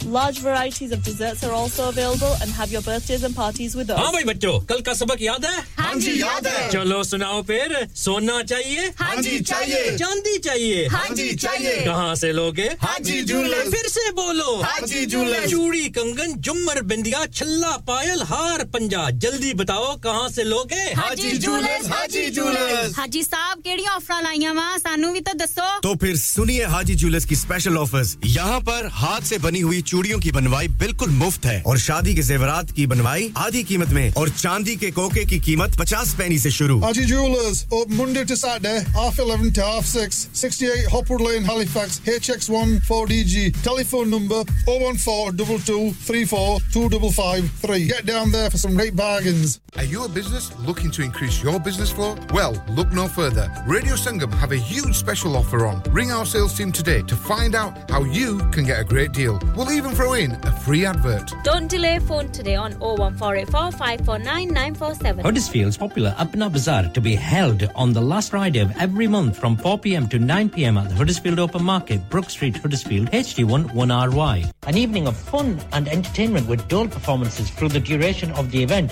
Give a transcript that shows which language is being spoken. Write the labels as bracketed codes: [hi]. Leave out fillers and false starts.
[en] Large varieties of desserts are also available and have your birthdays and parties with us. [hi] Haan bhai bachcho, kal ka sabak yaad hai? Haan हां जी याद है चलो सुनाओ फिर सोना चाहिए हां जी चाहिए चांदी चाहिए हां जी चाहिए कहां से लोगे हां जी झूले फिर से बोलो हां जी झूले चूड़ी कंगन जुमर बिंदिया छल्ला पायल हार पंजा जल्दी बताओ कहां से लोगे हां जी झूले हां जी झूले हां जी साहब [pa] केड़ी ऑफर लाईया वा सानू भी तो दसो [hi] तो फिर सुनिए हाजी ज्वेलर्स की स्पेशल ऑफर्स यहां पर हाथ से बनी हुई चूड़ियों की बनवाई बिल्कुल मुफ्त है और शादी के जेवरात की बनवाई आधी कीमत में और चांदी के कोके की कीमत 50 पैनी से शुरू [en] Haji jewellers open Monday to Saturday half 11 to half 6 68 Hopwood Lane Halifax HX14DG telephone number 01422342553 get down there for some great bargains are you a business looking to increase your business flow well look no further Radio Sangam have a huge special offer on ring our sales team today to find out how you can get a great deal we will even throw in a free advert. Don't delay phone today on 01484549947. Huddersfield's popular Apna Bazaar to be held on the last Friday of every month from 4pm to 9pm at the Huddersfield Open Market, Brook Street, Huddersfield, HD1 1RY. An evening of fun and entertainment with dual performances through the duration of the event.